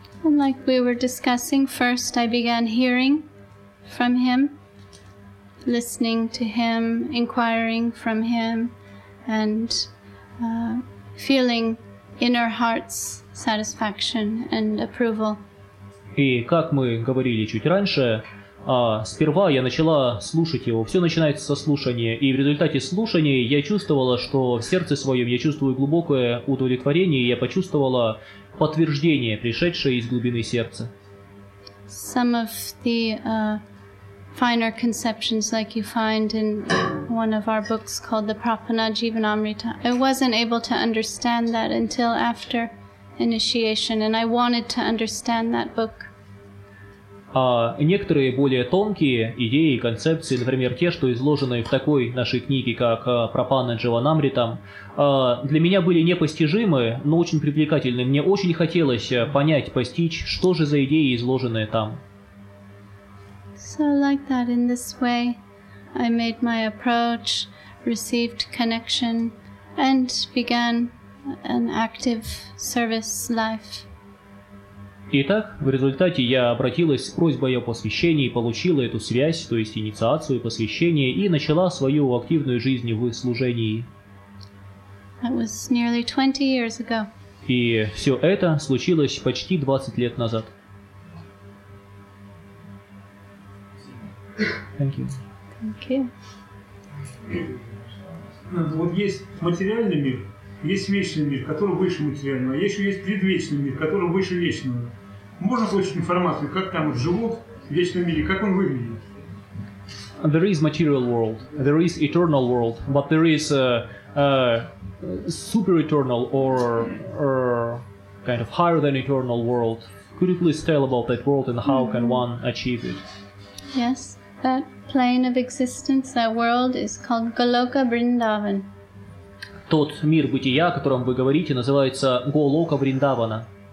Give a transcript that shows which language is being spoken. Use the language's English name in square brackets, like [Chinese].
[English] And like we were discussing, first I began hearing from him, listening to him, inquiring from him, and feeling inner heart's satisfaction and approval. [Russian] И как мы говорили чуть раньше, сперва я начала слушать его. Все начинается со слушания. И в результате слушания я чувствовала, что в сердце своем я чувствую глубокое удовлетворение, и я почувствовала подтверждение, пришедшее из глубины сердца. [English] Some of the finer conceptions, like you find in one of our books called the Prapanajivanamrita. I wasn't able to understand that until after initiation, and I wanted to understand that book. [Russian] Некоторые более тонкие идеи, концепции, например, те, что изложены в такой нашей книге, как Прапана Дживанамритам, для меня были непостижимы, но очень привлекательны. Мне очень хотелось понять, постичь, что же за идеи изложены там. [English] So like that, in this way, I made my approach, received connection, and began an active service life. [Russian] Итак, в результате я обратилась с просьбой о посвящении, получила эту связь, то есть инициацию и посвящение, и начала свою активную жизнь в служении. [English] That was nearly 20 years ago. [Russian] И все это случилось почти 20 лет назад. [English] Thank you. Thank you. [Russian] Вот есть материальный мир, есть вечный мир, который выше материального, а еще есть предвечный мир, который выше вечного. Можно получить информацию, как там живут в вечном мире, как он выглядит? [English] There is material world, there is eternal world, but there is a super eternal or kind of higher than eternal world. Could you please tell about that world and how can one achieve it? Yes, that plane of existence, that world is called Goloka Vrindavan. [Russian] Тот мир бытия, о котором вы говорите, называется Голока Вриндавана.